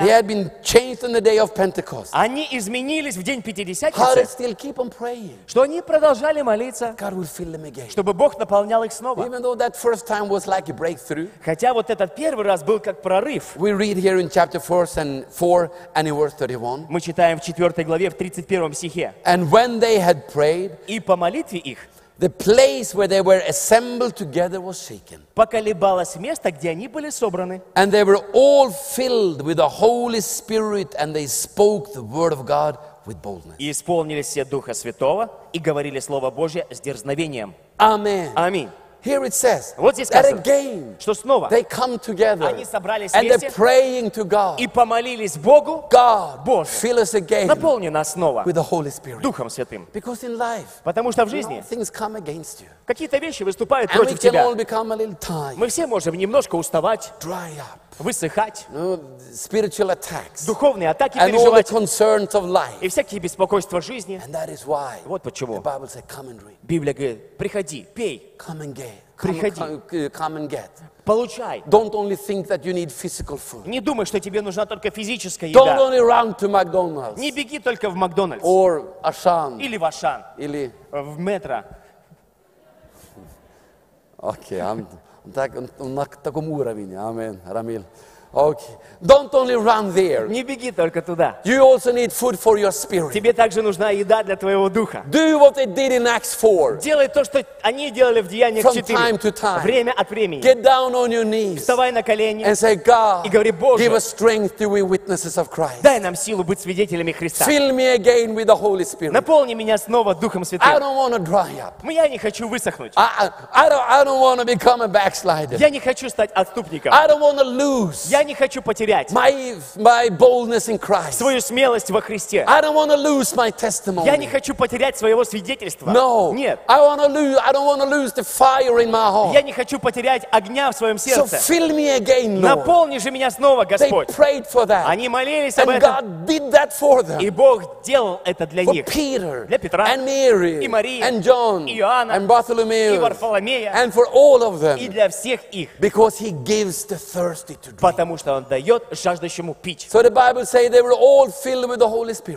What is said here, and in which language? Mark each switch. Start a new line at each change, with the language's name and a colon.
English: they had been changed on the day of Pentecost,
Russian: они изменились в день Пятидесятницы,
English: they still keep on praying,
Russian: что они продолжали молиться,
English: God will fill them again,
Russian: чтобы Бог наполнял их снова.
English: Even though that first time was like a breakthrough,
Russian: хотя вот этот первый раз был как прорыв.
English: We read here in chapter 4 and in verse 31.
Russian: Мы читаем в 4 главе в 31 стихе.
English: And when they had prayed,
Russian: и по молитве их,
English: the place where they were assembled together was shaken.
Russian: Поколебалось место, где они были собраны.
English: And they were all filled with the Holy Spirit, and they spoke the word of God with boldness.
Russian: И исполнились все Духа Святого, и говорили Слово Божие с дерзновением.
English: Amen.
Russian: Аминь.
English: Here it says,
Russian: вот здесь сказано,
English: that again,
Russian: что снова
English: they come together,
Russian: они собрались вместе,
English: and they're praying to God,
Russian: и помолились Богу,
English: God,
Russian: Боже,
English: fill us again,
Russian: наполни нас снова
English: with the Holy Spirit,
Russian: Духом Святым.
English: Because in life,
Russian: потому что в жизни
English: things come against you,
Russian: какие-то вещи выступают
English: and
Russian: против
English: we can
Russian: тебя.
English: All become a little tired,
Russian: мы все можем немножко уставать,
English: dry up,
Russian: высыхать,
English: you know, spiritual attacks,
Russian: духовные атаки
English: and
Russian: переживать,
English: all the concerns of life,
Russian: и всякие беспокойства жизни.
English: And that is why,
Russian: вот почему
English: the Bible says, come and drink.
Russian: Библия говорит, приходи, пей.
English: Come and get.
Russian: Приходи.
English: Come and get.
Russian: Получай.
English: Don't only think that you need physical food.
Russian: Не думай, что тебе нужна только физическая
English: Don't
Russian: еда.
English: Don't only run to McDonald's.
Russian: Не беги только в Макдональдс.
English: Or Ашан.
Russian: Или в Ашан. Или в метро. Окей, на таком уровне. Амин, Рамиль. Окей.
English: Don't only run there.
Russian: Не беги только туда.
English: You also need food for your spirit.
Russian: Тебе также нужна еда для твоего духа.
English: Do what they did in Acts 4.
Russian: Делай то, что они делали в Деяниях 4.
English: From time to time.
Russian: Время от времени.
English: Get down on your knees.
Russian: Вставай на колени.
English: And say, God,
Russian: и говори, Боже,
English: give us strength to be witnesses of Christ.
Russian: Дай нам силу быть свидетелями Христа.
English: Fill me again with the Holy Spirit.
Russian: Наполни меня снова Духом Святым.
English: I don't want to dry up.
Russian: Я не хочу высохнуть.
English: I don't want to become a backslider.
Russian: Я не хочу стать отступником.
English: I don't want to lose.
Russian: Я не хочу потерять.
English: My boldness in Christ.
Russian: Свою смелость во Христе.
English: I don't want to lose my testimony.
Russian: Я не хочу потерять своего свидетельства.
English: No.
Russian: Нет.
English: I don't want to lose the fire in my heart.
Russian: Я не хочу потерять огня в своем сердце.
English: So fill me again, Lord.
Russian: Наполни же меня снова, Господь.
English: They prayed for that.
Russian: Они молились
English: and
Russian: об этом.
English: God did that for them.
Russian: И Бог делал это для
English: for
Russian: них.
English: Peter,
Russian: для Петра.
English: And Mary,
Russian: и Марии.
English: And John,
Russian: и Иоанна.
English: And Bartholomew,
Russian: и Варфоломея.
English: And for all of them,
Russian: и для всех их.
English: Because he gives the thirsty to drink.
Russian: Потому что он дает жаждущему пить.
English: So the Bible says they were all filled with the Holy Spirit.